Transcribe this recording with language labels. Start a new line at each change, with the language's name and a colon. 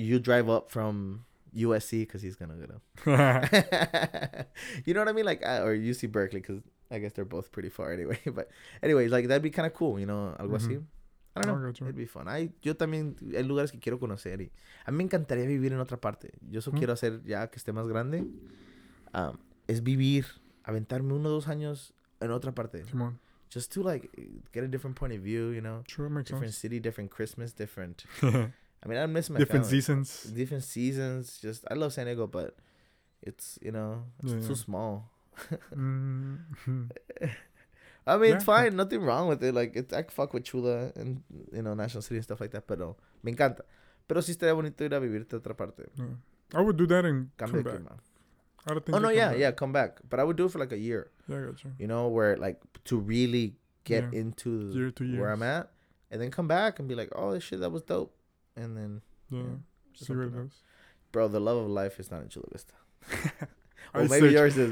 English: You drive up from USC because he's going to get up. You know what I mean? Like, or UC Berkeley because... I guess they're both pretty far anyway. But anyways, like, that'd be kind of cool, you know, algo así. I don't know. It'd be fun. Yo también, hay lugares que quiero conocer.
Spanish: Y a mí me encantaría vivir en otra parte. Yo eso quiero hacer ya que esté más grande. Es vivir, aventarme 1 o 2 años en otra parte.
English: Come on. Just to, like, get a different point of view, you know. True, makes different sense. City, different Christmas, different. I mean, I miss my different family. Different seasons. Different seasons. Just, I love San Diego, but it's, you know, it's too small. I mean, it's fine. Nothing wrong with it. Like, it's, I can fuck with Chula and, you know, National City and stuff like that.
Spanish: Pero me encanta. Pero si estaría bonito ir a vivir de otra parte.
English: I would do that and come back. I don't think come back. But I would do it for like a year. Yeah, I got you. You know, where like to really get into year to where years. I'm at, and then come back and be like, oh, this shit, that was dope. And then see where it goes. Bro, the love of life is not in Chula Vista. Well, maybe yours is.